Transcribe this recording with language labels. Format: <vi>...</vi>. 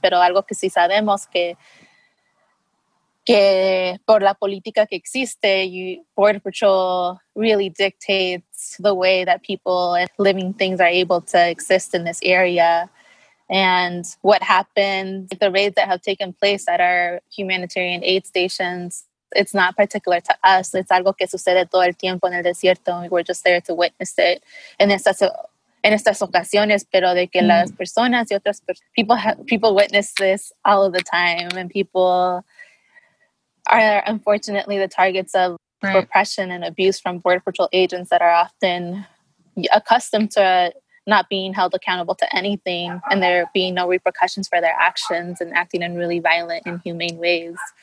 <es>Pero algo que sí sabemos que por la política que existe,</es> <en>Border Patrol really dictates the way that people and living things are able to exist in this area. And what happened, the raids that have taken place at our humanitarian aid stations, it's not particular to us. It's</en> <es>algo que sucede todo el tiempo en el desierto.</es> <en>We were just there to witness it</en> <es>en estas ocasiones, pero de que las personas y otras</es> <en>people witness this all of the time, and people are unfortunately the targets of oppression and abuse from Border Patrol agents that are often accustomed to not being held accountable to anything, and there being no repercussions for their actions and acting in really violent, inhumane ways.</en>